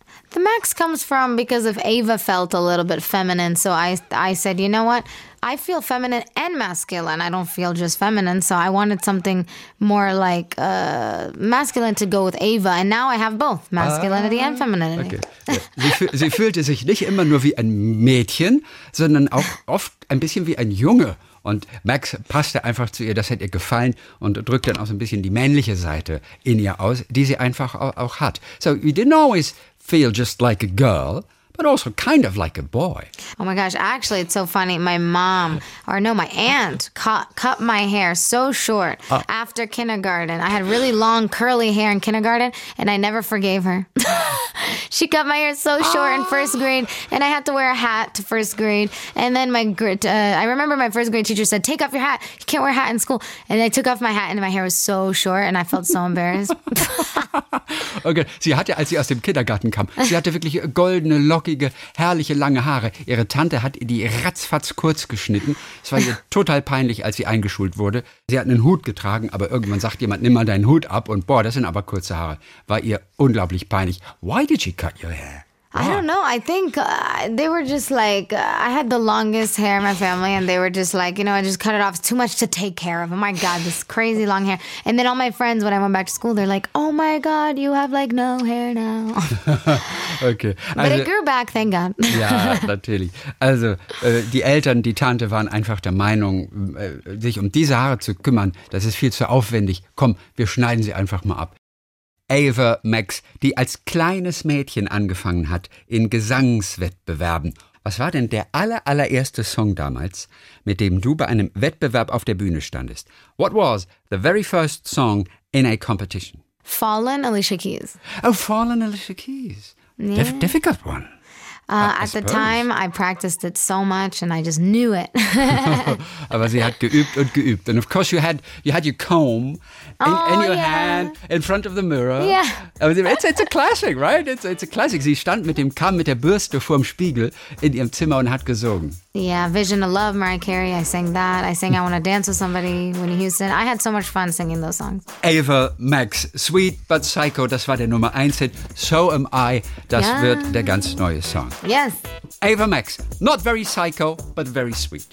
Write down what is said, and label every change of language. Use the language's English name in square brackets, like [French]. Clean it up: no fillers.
[English] The Max comes from because if Ava felt a little bit feminine, so I said, you know what? I feel feminine and masculine. I don't feel just feminine. So I wanted something more like masculine to go with Ava. And now I have both, masculinity and femininity. Okay. Yeah. [German] Sie fühlte sich nicht immer nur wie ein Mädchen, sondern auch oft ein bisschen wie ein Junge. Und Max passte einfach zu ihr, das hat ihr gefallen und drückt dann auch so ein bisschen die männliche Seite in ihr aus, die sie einfach auch hat. [English] So you didn't always feel just like a girl, but also kind of like a boy. Oh my gosh, actually it's so funny. My mom, or no, my aunt cut my hair so short after kindergarten. I had really long curly hair in kindergarten and I never forgave her. She cut my hair so short in first grade and I had to wear a hat to first grade. And then I remember my first grade teacher said, take off your hat. You can't wear a hat in school. And I took off my hat and my hair was so short and I felt so embarrassed. [German] Okay, sie hatte, als sie aus dem Kindergarten kam, sie hatte wirklich goldene, lockige, herrliche, lange Haare. Ihre Tante hat die ratzfatz kurz geschnitten. Es war ihr total peinlich, als sie eingeschult wurde. Sie hat einen Hut getragen, aber irgendwann sagt jemand, nimm mal deinen Hut ab. Und boah, das sind aber kurze Haare. War ihr unglaublich peinlich. [English] Why did she cut your hair? I don't know. I think they were just like, I had the longest hair in my family and they were just like, you know, I just cut it off. It's too much to take care of. Oh my God, this crazy long hair. And then all my friends, when I went back to school, they're like, oh my God, you have like no hair now. Okay. Also, but it grew back, thank God. [German] Ja, natürlich. Also die Eltern, die Tante waren einfach der Meinung, sich um diese Haare zu kümmern, das ist viel zu aufwendig. Komm, wir schneiden sie einfach mal ab. Ava Max, die als kleines Mädchen angefangen hat in Gesangswettbewerben. Was war denn der allererste Song damals, mit dem du bei einem Wettbewerb auf der Bühne standest? [English] What was the very first song in a competition? Fallen, Alicia Keys. Oh, Fallen, Alicia Keys. Yeah. Difficult one. At the time, I practiced it so much and I just knew it. [German] Aber sie hat geübt und geübt. [English] And of course, you had your comb in your hand in front of the mirror. Yeah. It's a classic, right? It's a classic. [German] Sie stand mit dem Kamm, mit der Bürste vorm Spiegel in ihrem Zimmer und hat gesungen. [English] Yeah, Vision of Love, Mariah Carey, I sang that. I sang I Want to Dance with Somebody, Whitney Houston. I had so much fun singing those songs. [German] Ava Max, Sweet But Psycho, das war der Nummer 1 Hit. So Am I, das wird der ganz neue Song. [English] Yes. Ava Max, not very psycho, but very sweet.